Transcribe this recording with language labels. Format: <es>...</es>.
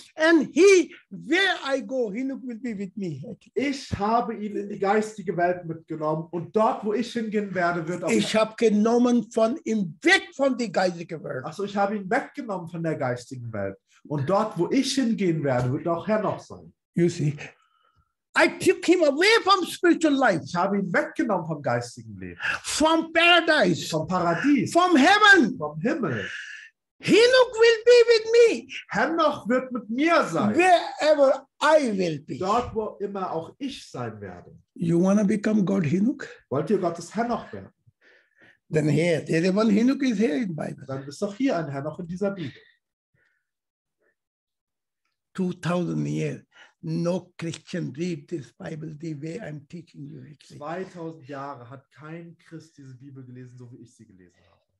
<en>And he, where I go, Henoch will be with me.</en> <de>Ich habe ihn in die geistige Welt mitgenommen und dort, wo ich hingehen werde, wird auch... Ich habe genommen von ihm weg von der geistigen Welt. Also ich habe ihn weggenommen von der geistigen Welt. Und dort, wo ich hingehen werde, wird auch Henoch sein.</de> <en>You see, I took him away from spiritual life.</en> <de>Ich habe ihn weggenommen vom geistigen Leben.</de> <en>From paradise.</en> <de>Vom Paradies.</de> <en>From heaven.</en> <de>Vom Himmel.</de> <en>Henoch will be with me.</en> <de>Henoch wird mit mir sein.</de> <en>Wherever I will be.</en> <de>Dort, wo immer auch ich sein werde.</de> <en>You want to become God Henoch?</en> <de>Wollt ihr Gottes Henoch werden?</de> <en>Then here, there is one Henoch is here in the Bible.</en> <de>Dann ist doch hier ein Henoch in dieser Bibel.</de> <en>2000 years. No Christian read this Bible the way I'm teaching you.</en> <de>2000 Jahre hat kein Christ diese Bibel gelesen, so wie ich sie gelesen habe.</de>